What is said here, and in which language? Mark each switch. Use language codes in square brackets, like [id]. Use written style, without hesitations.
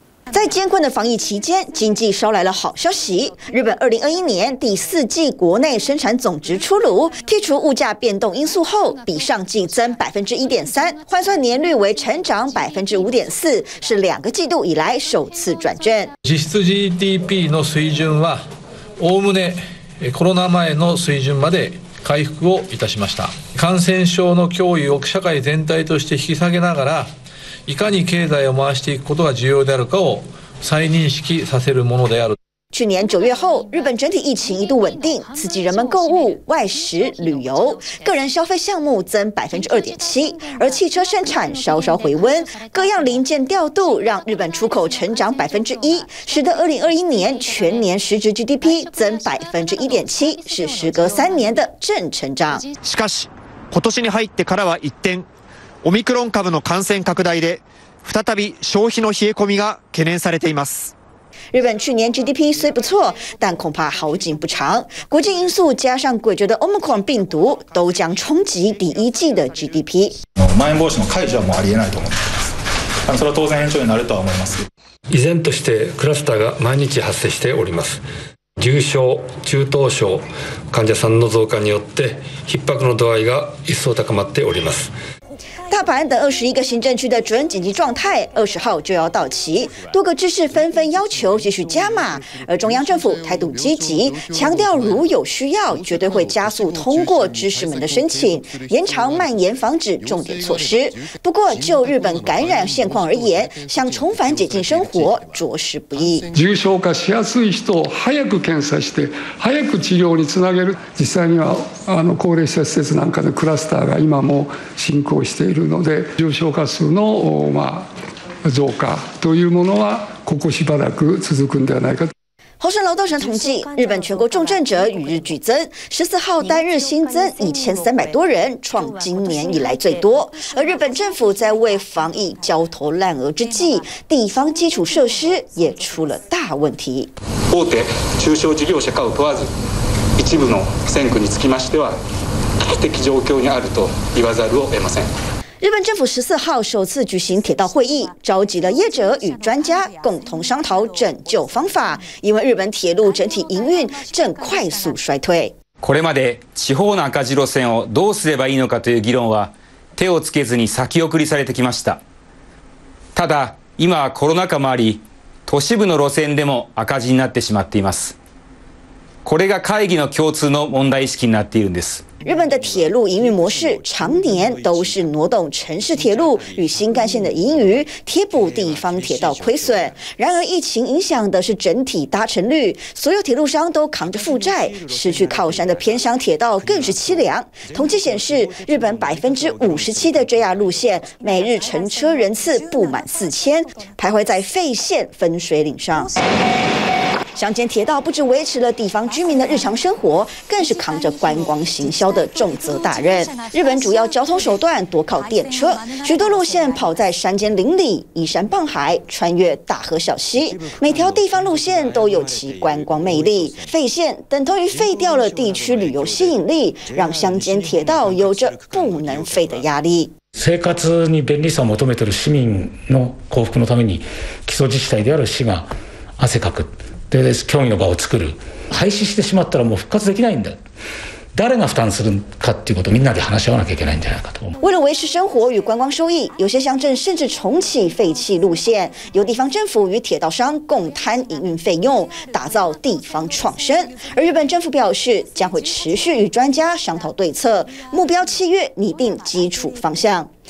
[zh] 在艰困的防疫期间，经济捎来了好消息。日本2021年第四季国内生产总值出炉，剔除物价变动因素后，比上季增1.3%，换算年率为成长5.4%，是2个季度以来首次转正。 [ja] 実質 GDP の水準は、おおむねコロナ前の水準まで回復をいたしました。感染症の脅威を社会全体として引き下げながら、いかに経済を回していくことが重要であるかを再認識させるものである。 [zh] 去年九月后，日本整体疫情一度稳定，刺激人们购物、外食、旅游，个人消费项目增2.7%，而汽车生产稍稍回温，各样零件调度让日本出口成长1%，使得2021年全年实质 GDP 增1.7%，是时隔3年的正成长。 [ja] しかし、今年に入ってからは一転、オミクロン株の感染拡大で再び消費の冷え込みが懸念されています。 [zh] 日本去年 GDP 虽不错，但恐怕好景不长。国际因素加上诡谲的 Omicron 病毒，都将冲击第一季的 GDP。 [ja] まん延防止の解除はもうありえないと思います。それは当然延長になるとは思います。依然としてクラスターが毎日発生しております。重症、中等症患者さんの増加によって逼迫の度合いが一層高まっております。 [zh] 大阪等21个行政区的准紧急状态20号就要到期，多个知事纷纷要求继续加码，而中央政府态度积极，强调如有需要，绝对会加速通过知事们的申请，延长蔓延防止重点措施。不过，就日本感染现况而言，想重返解禁生活着实不易。 [ja] 重症化しやすい人を早く検査して、早く治療につなげる。実際には高齢者施設なんかでクラスターが今も進行して。いるので重症化数の増加というものはここしばらく続くんではないか。 [zh] 厚生劳动省统计，日本全国重症者与日俱增，14号单日新增1300多人，创今年以来最多。而日本政府在为防疫焦头烂额之际，地方基础设施也出了大问题。 [ja] 大手中小事業者かを問わず、一部の線区につきましては。危機的状況にあると言わざるを得ません。 [zh] 日本政府14号首次举行铁道会议，召集了业者与专家共同商讨拯救方法，因为日本铁路整体营运正快速衰退。 [ja] これまで地方の赤字路線をどうすればいいのかという議論は手をつけずに先送りされてきました。ただ今はコロナ禍もあり、都市部の路線でも赤字になってしまっています。これが会議の共通の問題意識になっているんです。 [zh] 日本的铁路营运模式常年都是挪动城市铁路与新干线的盈余，贴补地方铁道亏损。然而疫情影响的是整体搭乘率，所有铁路商都扛着负债，失去靠山的偏乡铁道更是凄凉。统计显示，日本57%的 JR 路线每日乘车人次不满4000，徘徊在废线分水岭上。乡间铁道不止维持了地方居民的日常生活，更是扛着观光行销的重责大任。日本主要交通手段多靠电车，许多路线跑在山间林里，依山傍海，穿越大河小溪，每条地方路线都有其观光魅力。废线等同于废掉了地区旅游吸引力，让乡间铁道有着不能废的压力。 [ja] 生活に便利さを求めている市民の幸福のために基礎自治体である市が汗かく。で協議の場を作る、廃止してしまったらもう復活できないんだ、誰が負担するかっていうことをみんなで話し合わなきゃいけないんじゃないかと。 [zh] 为了维持生活与观光收益，有些乡镇甚至重启废弃路线，由地方政府与铁道商共摊营运费用，打造地方创生。而日本政府表示，将会持续与专家商讨对策，目标7月拟定基础方向。